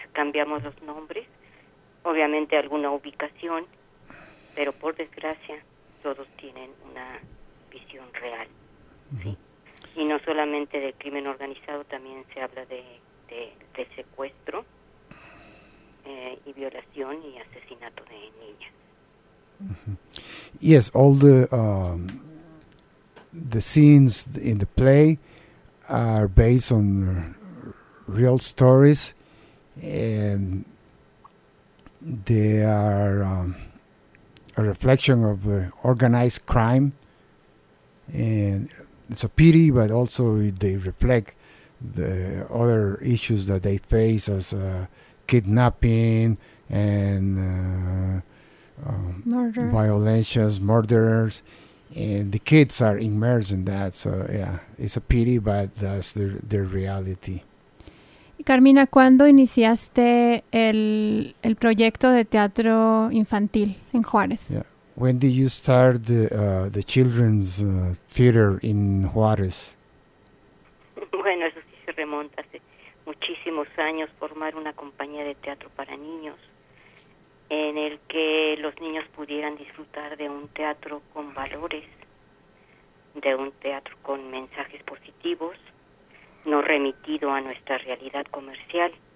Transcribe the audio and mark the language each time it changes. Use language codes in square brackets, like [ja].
[es] Cambiamos los nombres, obviamente alguna ubicación, pero por desgracia todos tienen una visión real. Mm-hmm. Sí. Y no solamente del crimen organizado, también se habla de secuestro y violación y asesinato de niñas. Mm-hmm. [en] Yes, all the scenes in the play are based on real stories, and they are a reflection of organized crime, and it's a pity, but also they reflect the other issues that they face, as kidnapping and murder, violations, murders. And the kids are immersed in that, so yeah, it's a pity, but that's their reality. [es] Carmina, ¿cuándo iniciaste el proyecto de teatro infantil en Juárez? Yeah. [en] When did you start the children's theater in Juárez? [es] Bueno, eso sí se remonta hace muchísimos años, formar una compañía de teatro para niños, en el que los niños pudieran disfrutar de un teatro con valores, de un teatro con mensajes positivos, no remitido a nuestra realidad comercial.